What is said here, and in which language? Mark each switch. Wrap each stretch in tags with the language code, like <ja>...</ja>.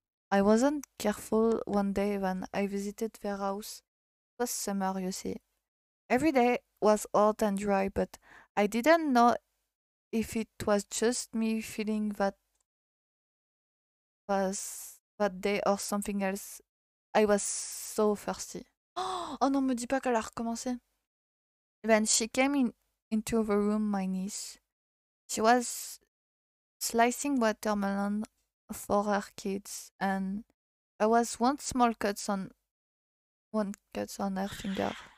<en>I wasn't careful one day when I visited their house. It was summer, you see. Every day was hot and dry, but I didn't know if it was just me feeling that was that day or something else. I was so thirsty.</en> <fr>Oh non, me dis pas qu'elle a recommencé.</fr> <en>Then she came into the room, my niece. She was slicing watermelon for her kids, and there was one small cut on her finger.</en>